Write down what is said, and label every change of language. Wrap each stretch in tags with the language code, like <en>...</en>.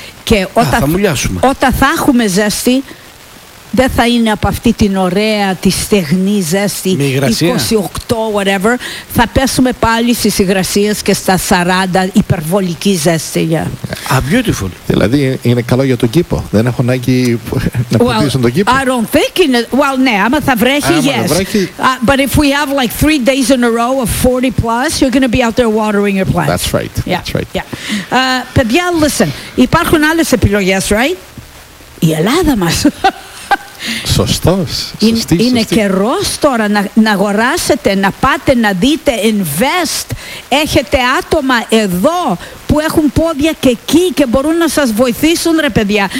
<el>Και όταν θα έχουμε ζέστη, δεν θα είναι από αυτή την ωραία, τη στεγνή ζέστη, 28, whatever. Θα πέσουμε πάλι στις υγρασίες και στα 40, υπερβολική ζέστη.</el> <en>Yeah. A beautiful.</en> <el>Δηλαδή είναι καλό για τον κήπο. Δεν έχω ανάγκη να πλουτίσουν τον κήπο.</el> <en>I don't think in it. Well,</en> <el>ναι, άμα θα βρέχει, άμα</el> <en>yes.</en> <el>Βρέχει...</el> <en>But if we have like 3 days in a row of 40 plus, you're going to be out there watering your plants. That's right. Yeah. That's right. Yeah.</en> <el>Παιδιά, listen, υπάρχουν άλλες επιλογές, right? Η Ελλάδα μας. Σωστός. Είναι καιρός τώρα να αγοράσετε, να πάτε να δείτε, invest. Έχετε άτομα εδώ που έχουν πόδια και εκεί και μπορούν να σας βοηθήσουν, ρε παιδιά.</el>